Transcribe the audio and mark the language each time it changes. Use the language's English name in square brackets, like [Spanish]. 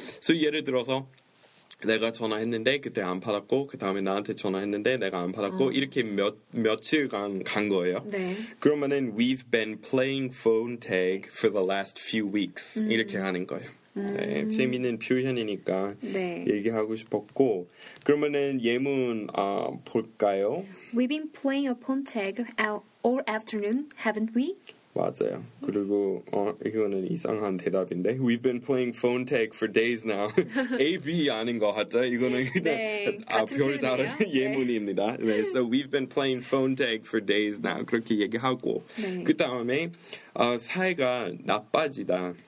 [English] So [Korean] 예를 들어서 내가 전화했는데 그때 안 받았고 그 다음에 나한테 전화했는데 내가 안 받았고 이렇게 며칠간 간 거예요. 네. 그러면은 [English] we've been playing phone tag for the last few weeks [Korean] 이렇게 하는 거예요. 네, 재미있는 표현이니까 네. 얘기하고 싶었고 그러면은 예문 볼까요? [English] We've been playing a phone tag all afternoon, haven't we? [Korean] 맞아요. 그리고 이거는 이상한 대답인데 [English] We've been playing phone tag for days now. [Korean] A, B 아닌 것 같아. 이거는 그냥 네, 별다른 예문입니다. 네. 네, [English] so we've been playing phone tag for days now. [Korean] 그렇게 얘기하고 네. 그 다음에 사이가 나빠지다.